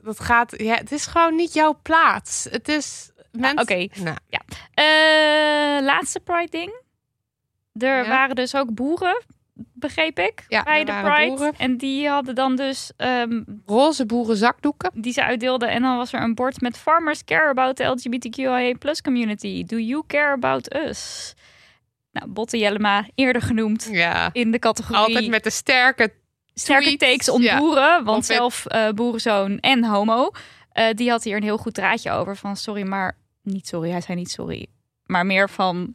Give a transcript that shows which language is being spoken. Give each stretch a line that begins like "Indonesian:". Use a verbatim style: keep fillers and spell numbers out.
Dutch: dat gaat, ja, het is gewoon niet jouw plaats. Het is mensen... Ah, Oké, okay. nou. ja. uh, laatste Pride ding. Er ja. waren dus ook boeren. Begreep ik, ja, bij de Pride. Boeren. En die hadden dan dus... Um, roze boerenzakdoeken. Die ze uitdeelden. En dan was er een bord met...
English: Farmers care about the L G B T Q I A plus community. Do you care about us?
Dutch: Nou, Botte Jellema, eerder genoemd ja. in de categorie... Altijd met de sterke... Sterke tweets. takes om ja. boeren. Want Of zelf uh, boerenzoon en homo. Uh, die had hier een heel goed draadje over. Van sorry, maar... Niet sorry, hij zei niet sorry. Maar meer van...